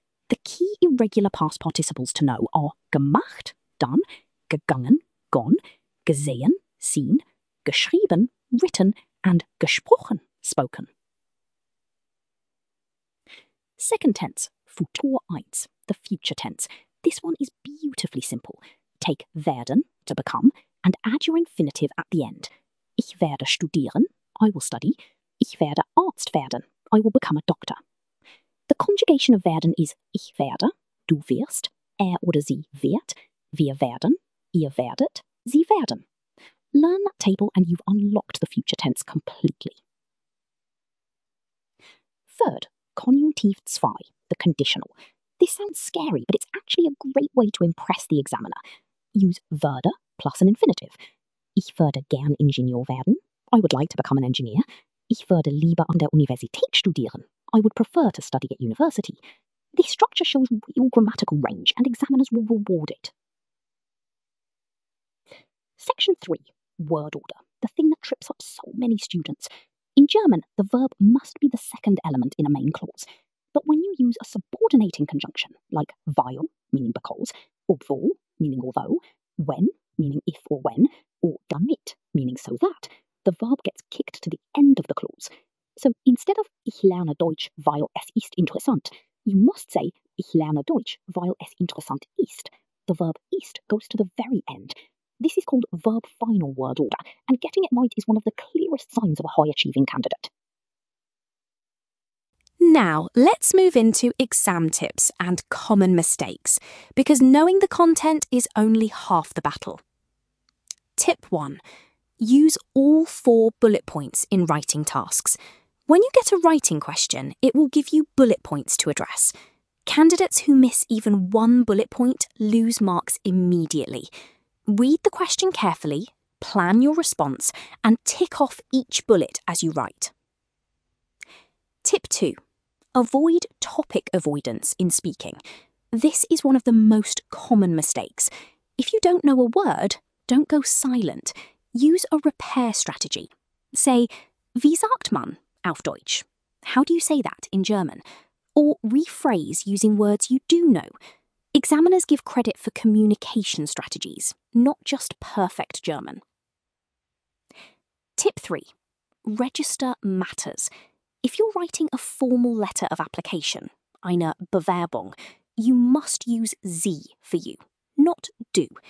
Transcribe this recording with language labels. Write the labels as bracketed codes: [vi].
[en] The key irregular past participles to know are gemacht, done, gegangen, gone, gesehen, seen, geschrieben, written, and gesprochen, spoken. Second tense, Futur 1, the future tense. This one is beautifully simple. Take werden, to become, and add your infinitive at the end. [de] Ich werde studieren, [en] I will study. [de] Ich werde Arzt werden, [en] I will become a doctor. The conjugation of [de] werden is ich werde, du wirst, oder sie wird, wir werden, ihr werdet, sie werden. [en] Learn that table and you've unlocked the future tense completely. Third, Konjunktiv 2, the conditional. This sounds scary, but it's actually a great way to impress the examiner. Use werde plus an infinitive. [de] Ich würde gern Ingenieur werden. [en] I would like to become an engineer. [de] Ich würde lieber an der Universität studieren. [en] I would prefer to study at university. This structure shows real grammatical range and examiners will reward it. Section 3, word order, the thing that trips up so many students. In German, the verb must be the second element in a main clause. But when you use a subordinating conjunction, like weil, meaning because, obwohl, meaning although, when, meaning if or when, or damit, meaning so that, the verb gets kicked to the end of the clause. So instead of [de] ich lerne Deutsch, weil es ist interessant, [en] you must say [de] ich lerne Deutsch, weil es interessant ist. [en] The verb ist goes to the very end. This is called verb final word order, and getting it right is one of the clearest signs of a high-achieving candidate. Now, let's move into exam tips and common mistakes, because knowing the content is only half the battle. Tip 1. Use all four bullet points in writing tasks. When you get a writing question, it will give you bullet points to address. Candidates who miss even one bullet point lose marks immediately. Read the question carefully, plan your response, and tick off each bullet as you write. Tip 2. Avoid topic avoidance in speaking. This is one of the most common mistakes. If you don't know a word, don't go silent. Use a repair strategy. [de] Say, wie sagt man auf Deutsch? [en] How do you say that in German? Or rephrase using words you do know. Examiners give credit for communication strategies, not just perfect German. 3. Register matters. If you're writing a formal letter of application, eine Bewerbung, you must use Sie for you, not du.